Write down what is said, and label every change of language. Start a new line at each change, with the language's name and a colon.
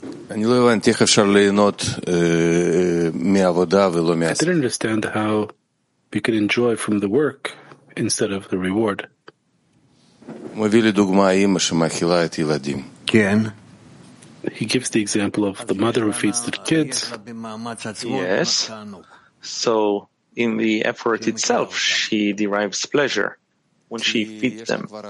Hebrew: אני לא הבנתי איך אפשר ליהנות מעבודה ולא מעשה.
English: I didn't understand how we could enjoy from the work instead of the reward.
Hebrew: מביא לדוגמה אמא שמאכילה את הילדים. כן.
English: He gives the example of the mother who feeds the kids. Yes. So in the effort itself, she derives pleasure when she feeds them.